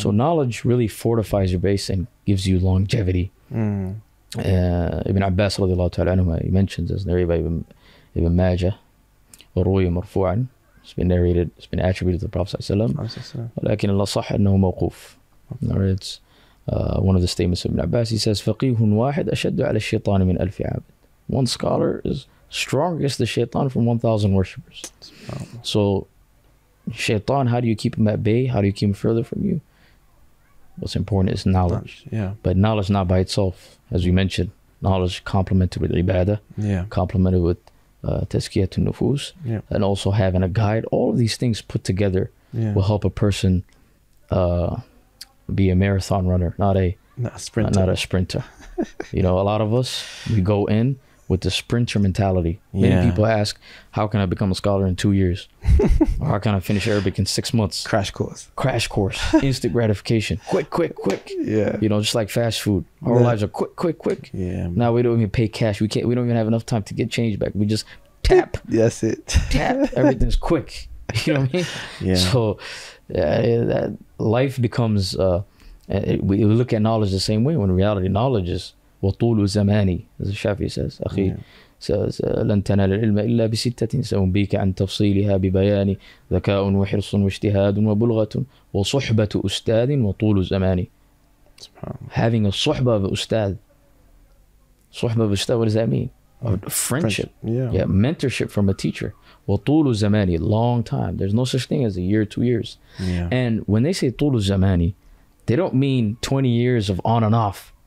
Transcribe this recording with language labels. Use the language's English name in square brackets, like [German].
[English] So knowledge really fortifies your base and gives you longevity. Ibn Abbas radiallahu ta'ala anhu, he mentions this, narrated by Ibn Majah, [Arabic] وَرُوِيَ مَرْفُوعًا, [English] it's been narrated, it's been attributed to the Prophet [Arabic] وَلَكِنَ اللَّهُ صَحَّ أَنَّهُ مَوْقُوفٌ. [English] It's one of the statements of Ibn Abbas. He says, [Arabic] فَقِيهٌ وَاحِدْ أَشَدُّ عَلَى الشَّيْطَانِ مِنْ أَلْفِ عَابِدْ. [English] One scholar is strong against the shaitan from 1,000 worshippers. So shaitan, how do you keep him at bay? How do you keep him further from you? What's important is knowledge. Yeah. But knowledge not by itself, as we mentioned. Knowledge complemented with ibadah. Yeah. Complemented with tazkiyatun nufus. Yeah. And also having a guide. All of these things put together will help a person be a marathon runner, not a sprinter. You know, a lot of us, we go in with the sprinter mentality. Yeah. Many people ask, how can I become a scholar in 2 years? Or how can I finish Arabic in 6 months? Crash course. Instant gratification. Quick. Yeah. You know, just like fast food. Our lives are quick. Yeah. Now we don't even pay cash. We don't even have enough time to get change back. We just tap. That's it. Tap. Everything's quick. You know what I mean? Yeah. So that life becomes, we look at knowledge the same way, when in reality knowledge is [Arabic] وطول زماني, [English] as Shafi says, [Arabic] أخي says, لن تنال العلم إلا بستة سأنبيك عن تفصيلها ببيان ذكاء وحرص واجتهاد وبلغة وصحبة أستاذ وطول زماني. [English] Having a صحبة أستاذ. صحبة أستاذ, what does that mean? Friendship. Yeah. Mentorship from a teacher. [Arabic] وطول زماني, [English] long time. There's no such thing as a year, 2 years. Yeah. And when they say طول زماني, they don't mean 20 years of on and off.